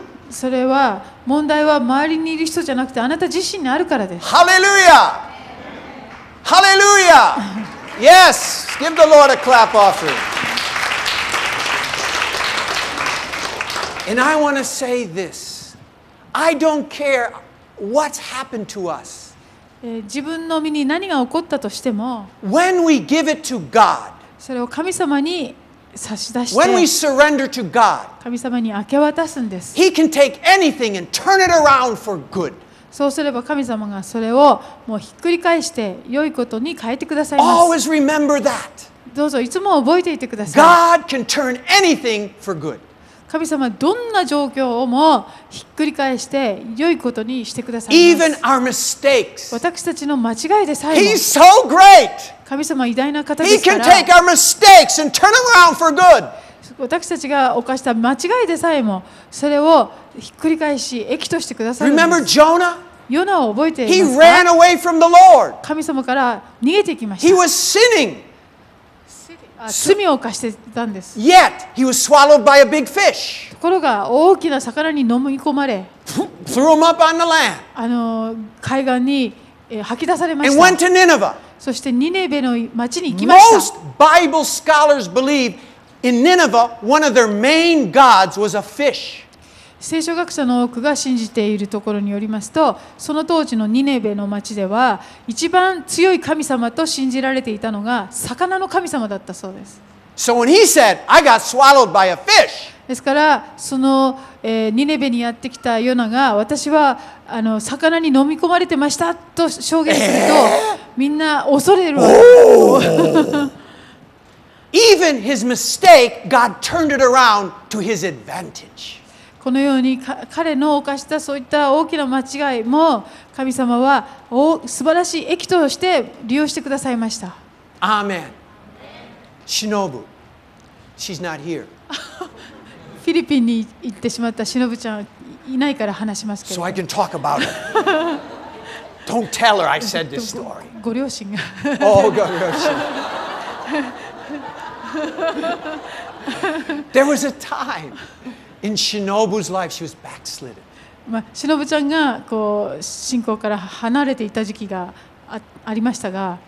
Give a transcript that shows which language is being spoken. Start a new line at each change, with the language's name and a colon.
Japanese: それは問題は周りにいる人じゃなくてあなた自身にあるからです。
English: ハレルヤ、ハレルヤ、Yes, give the Lord a clap offering. And I want to say this: I don't care what's happened to us.
Japanese: 自分の身に何が起こったとしても、
English: When we give it to God,
Japanese: それを神様に差し出して、
English: When we surrender to God,
Japanese: 神様に明け渡すんです。
English: He can take anything and turn it around for good.
Japanese: そうすれば神様がそれをもうひっくり返して良いことに変えてくださいます。
English: Always remember that.
Japanese: どうぞいつも覚えていてください。
English: God can turn anything for good.
Japanese: 神様はどんな状況をもひっくり返して良いことにしてくださいます。
English: Even our mistakes.
Japanese: 私たちの間違いでさえも
English: He's so great.
Japanese: 神様は偉大な方です
English: から。He can take our mistakes and turn around for good.
Japanese: 私たちが犯した間違いでさえも、それをひっくり返し、益としてくださるんです。
English: Remember Jonah?
Japanese: ヨナを覚えてい
English: ますか? He ran away from the Lord.
Japanese: 神様から逃げていきました。
English: He was sinning.
Japanese: 罪を犯してたんです。
English: Yet, he was swallowed by a big fish.
Japanese: ところが大きな魚に飲み込まれ、
English: threw him up on the land.
Japanese: 海岸に吐き出されました。
English: And went to Nineveh.
Japanese: そしてニネベの町に行きました。
English: Most Bible scholars believe in Nineveh, one of their main gods was a fish.
Japanese: 聖書学者の多くが信じているところによりますと、その当時のニネベの町では一番強い神様と信じられていたのが魚の神様だったそうです。
English: So when he said, "I got swallowed by a fish,"
Japanese: ですからその、ニネベにやってきたヨナが私は魚に飲み込まれてましたと証言すると、みんな恐れる
English: Even his mistake, God turned it around to his advantage.
Japanese: このように彼の犯したそういった大きな間違いも神様は素晴らしい益として利用してくださいました。アーメン。
English: シノブ、she's not here.
Japanese: フィリピンに行ってしまったシノブちゃんいないから話しますけど。
English: So I can talk about her. Don't tell her I said this story.
Japanese: ご両親が。 Oh, ご両親。
English: There was a time in Shinobu's life she was backslidden.
Japanese: まあシノブちゃんがこう信仰から離れていた時期がありましたが。